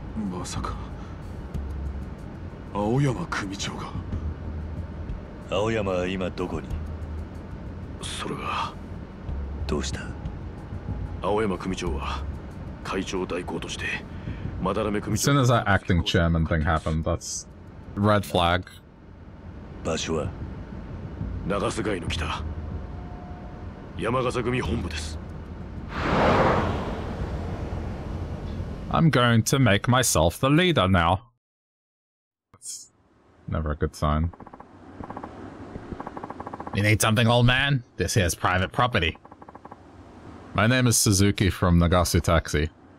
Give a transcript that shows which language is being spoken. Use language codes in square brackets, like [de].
[ja] まさか青山組長が。青山は今どこに。それがどうした。青山組長は会長代行として、まだらめ組長。 [en] As soon as that acting chairman thing happened, that's red flag. [ja] 場所は長瀬街の北、山笠組本部です。 [en] I'm going to make myself the leader now. That's never a good sign. You need something, old man? This here is private property. My name is Suzuki from Nagasu Taxi.